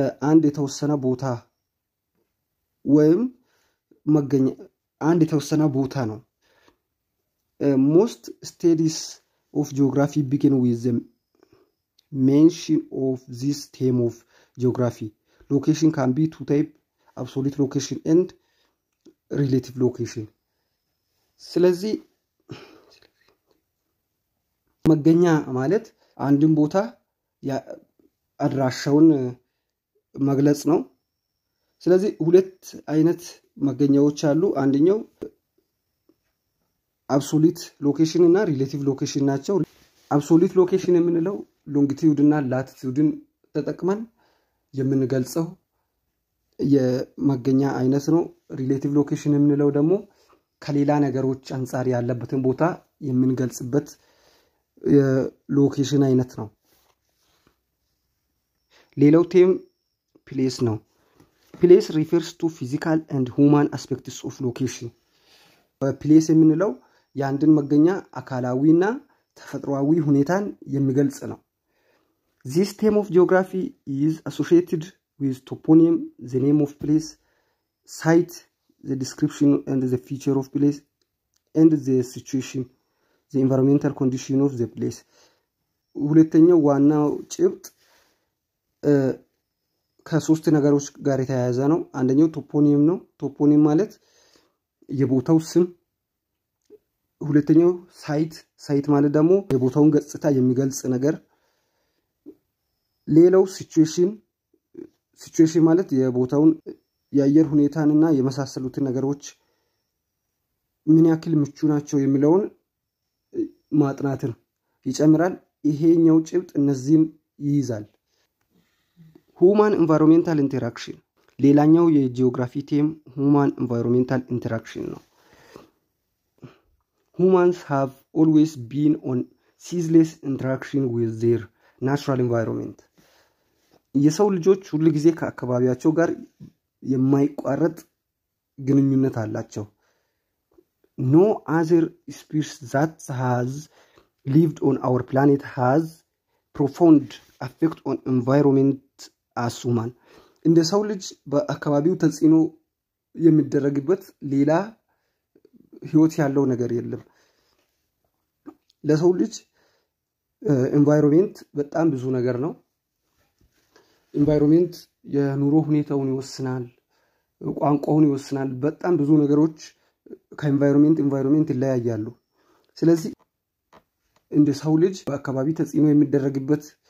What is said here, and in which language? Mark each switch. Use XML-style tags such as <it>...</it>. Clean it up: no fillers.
<am>አንድ የተወሰነ ቦታ ወይም መገኛ አንድ የተወሰነ ቦታ ነው።</am> <en>Most studies of geography begin with the mention of this theme of geography. Location can be two type, absolute location and relative location.</en> <am>ስለዚ መገኛ ማለት አንድን ቦታ አድራሻውን መግለጽ ነው። ስለዚ ሁለት አይነት መገኛዎች አሉ። አንደኛው absolute location እና relative location ናቸው። absolute location የምንለው longitude እና latitude ተጠቅመን የምንገልጸው የመገኛ አይነት ነው። relative location የምንለው ደግሞ ከሌላ ነገሮች አንጻር ያለበትን ቦታ የምንገልጽበት የሎኬሽን አይነት ነው። ሌላው ቴም place ነው።</am> <en>place refers to physical and human aspects of location.</en> <am>place የምንለው ያንድን መገኛ አካላዊና ተፈጥሯዊ ሁኔታን የሚገልጽ ነው።</am> <en>This theme of geography is associated with toponym, the name of place, site, the description and the feature of place, and the situation, the environmental condition of the place.</en> <am>ሁለተኛው ዋናው ጭብጥ ከሶስት ነገሮች ጋር የተያያዘ ነው። አንደኛው toponym ነው። toponym ማለት የቦታው ስም። ሁለተኛው site, site ማለት ደግሞ የቦታውን ገጽታ የሚገልጽ ነገር። ሌላው situation, situation ማለት የቦታውን የአየር ሁኔታንና የመሳሰሉት ነገሮች ምን ያክል ምቹ ናቸው የሚለውን ማጥናት ይጨምራል። ይሄኛው ጭብጥ እነዚህን ይይዛል።</am> <en>Human environmental interaction</en> <am>ሌላኛው የጂኦግራፊ ቴም human environmental interaction ነው።</am> <en>Humans have always been on ceaseless interaction with their natural environment.</en> <am>የሰው ልጆች ሁሉ ጊዜ ከአካባቢያቸው ጋር የማይቋረጥ ግንኙነት አላቸው።</am> <en>No other species that has lived on our planet has profound effect on environment as human.</en> <am>እንደ ሰው ልጅ በአካባቢው ተጽዕኖ የሚደረግበት ሌላ ህይወት ያለው ነገር የለም። ለሰው ልጅ environment በጣም ብዙ ነገር ነው። environment የኑሮ ሁኔታውን ይወስናል፣ ቋንቋውን ይወስናል። በጣም ብዙ ነገሮች ከኢንቫይሮንመንት ኢንቫይሮንመንት ይለያያሉ። ስለዚህ እንደ ሰው ልጅ በአካባቢ ተጽዕኖ የሚደረግበት</am>